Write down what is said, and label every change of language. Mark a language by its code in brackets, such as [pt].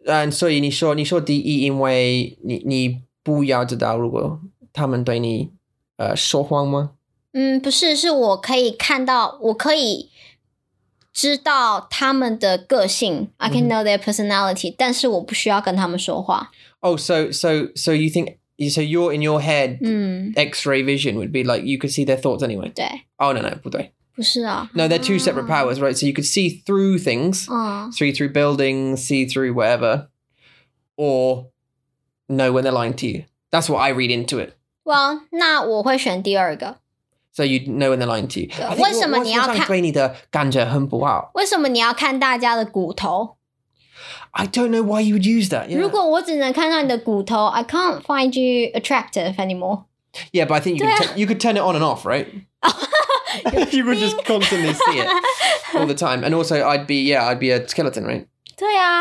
[zh] And 所以你说第一，因为你不要知道如果他们对你。说谎吗？不是，是我可以看到，我可以知道他们的个性。 [en] I can know their personality, [zh] 但是我不需要跟他们说话。 [en] Oh, so you think, so you're in your head, X-ray vision would be like, you could see their thoughts anyway. [zh] 对。 Oh, no, 不对。不是啊。 [en] No, they're two separate powers, right? So you could see through things, see through buildings, see through whatever, or know when they're lying to you. That's what I read into it. [zh] Well, 那我会选第二个。 [en] So you know when they're lying to you. [zh] 为什么你要看对你的感觉很不好？为什么你要看大家的骨头 [en] ？I don't know why you would use that.、Yeah. [zh] 如果我只能看到你的骨头 ， [en] I can't find you attractive anymore. Yeah, but I think you could turn it on and off, right? You would just constantly see it all the time, and also I'd be a skeleton, right? [zh] 对啊